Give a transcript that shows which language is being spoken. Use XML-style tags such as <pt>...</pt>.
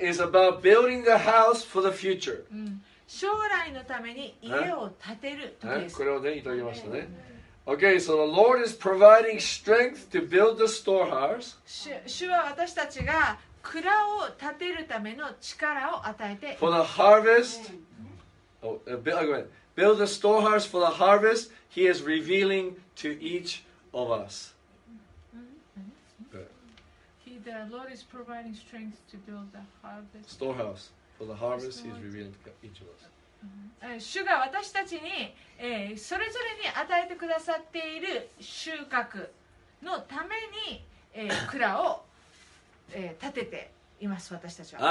<en>is about building the house for the future.</en> <ja>将来のために家を建てる時です。これをね、いただきましたね。</ja> <en>Okay, so the Lord is providing strength to build the storehouse.</en> <ja>主は私たちが蔵を建てるための力を与えて、</ja> <en>for the harvest, oh, go ahead. Build the storehouse for the harvest he is revealing to each of us. The Lord is providing strength to build the harvest. Storehouse for the harvest is revealed to each of us.</en> <ja>主が私たちに、それぞれに与えてくださっている収穫のために、蔵を、建てています私たちは。</ja>